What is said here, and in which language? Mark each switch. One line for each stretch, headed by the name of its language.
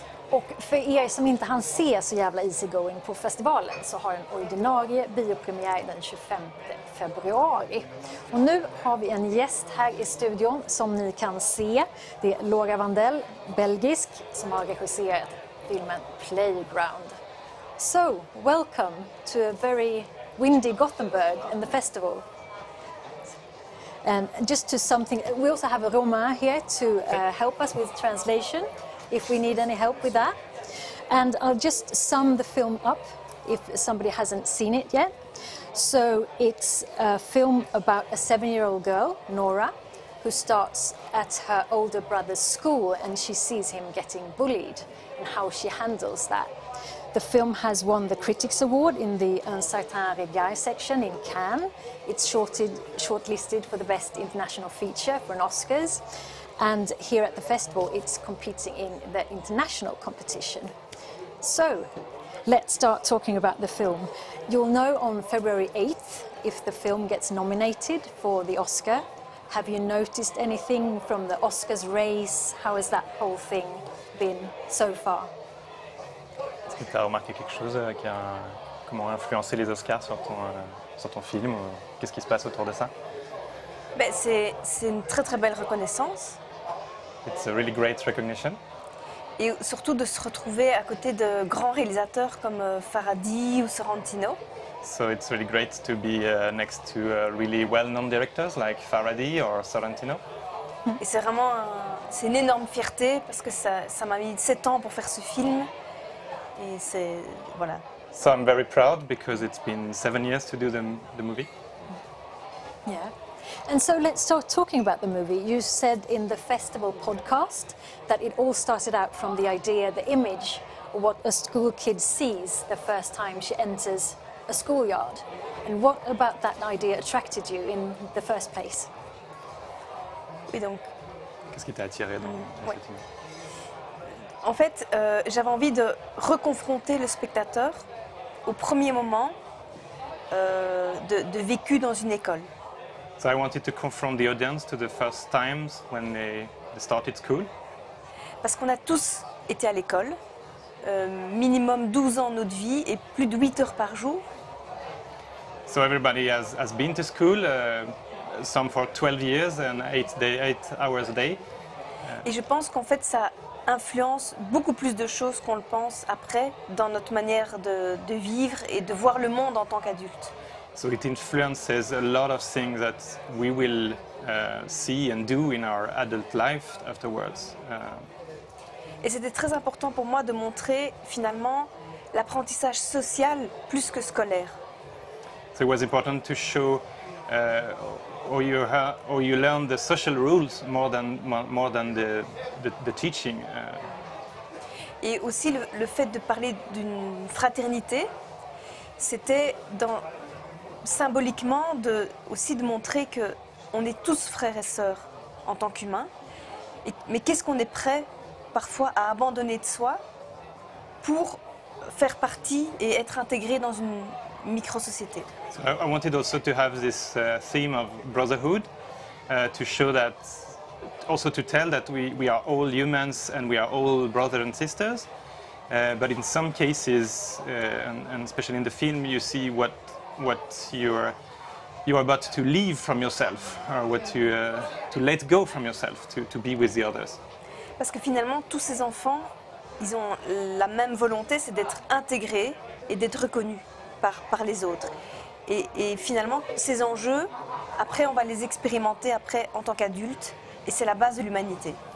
Swedish: Och för er som inte hann se så jävla easygoing på festivalen så har en ordinarie biopremiär den 25 februari. Och nu har vi en gäst här i studion som ni kan se. Det är Laura Vandell, belgisk, som har regisserat filmen Playground.
English: So, welcome to a very windy Gothenburg in the festival. And just to something, we also have a Romain here to help us with translation. If we need any help with that. And I'll just sum the film up if somebody hasn't seen it yet. So it's a film about a 7-year-old girl, Nora, who starts at her older brother's school and she sees him getting bullied and how she handles that. The film has won the Critics Award in the Un Certain Regard section in Cannes. It's shortlisted for the Best International Feature for an Oscars. And here at the festival, it's competing in the international competition. So, let's start talking about the film. You'll know on February 8th if the film gets nominated for the Oscar. Have you noticed anything from the Oscars race? How has that whole thing been so far?
French: Est-ce que tu as remarqué quelque chose qui a comment influencé les Oscars sur ton film? Qu'est-ce qui se passe autour de ça? Ben, c'est une très très belle reconnaissance.
English: It's a really great recognition.
French: Et surtout de se retrouver à côté de grands réalisateurs comme Faraday ou Sorrentino.
English: So it's really great to be next to really well-known directors like Faraday or Sorrentino.
French: Et c'est vraiment c'est une énorme fierté parce que ça m'a mis 7 ans pour faire ce film. Et c'est voilà.
English: So I'm very proud because it's been 7 years to do the movie. Yeah. And so let's start talking about the movie. You said in the festival podcast that it all started out from the idea, the image, what a school kid sees the first time she enters a schoolyard. And what about that idea attracted you in the first place?
French: Oui, donc. Qu'est-ce qui t'a attiré dans ouais. cette image? En fait, j'avais envie de reconfronter le spectateur au premier moment de vécu dans une école.
English: So I wanted to confront the audience to the first times when they started school.
French: Parce qu'on a tous été à l'école, minimum 12 ans de notre vie et plus de 8 heures par jour.
English: So everybody has been to school, some for 12 years and 8 hours a day.
French: Et je pense qu'en fait ça influence beaucoup plus de choses qu'on le pense après dans notre manière de vivre et de voir le monde en tant qu'adulte.
English: So it influences a lot of things that we will see and do in our adult life afterwards.
French: Et c'était très important pour moi de montrer finalement l'apprentissage social plus que scolaire.
English: So it was important to show how you learn the social rules more than the teaching.
French: Et aussi le fait de parler d'une fraternité, c'était dans symboliquement aussi de montrer que on est tous frères et sœurs en tant qu'humains, mais qu'est-ce qu'on est prêt parfois à abandonner de soi pour faire partie et être intégré dans une micro-société.
English: So I wanted also to have this theme of brotherhood to show that, also to tell that we are all humans and we are all brothers and sisters. But in some cases, and especially in the film, you see what you are about to leave from yourself, or what you to let go from yourself, to be with the others.
French: Parce que finalement, tous ces enfants, ils ont la même volonté, c'est d'être intégrés et d'être reconnus par les autres. Et finalement, ces enjeux, après, on va les expérimenter après en tant qu'adultes, et c'est la base de l'humanité.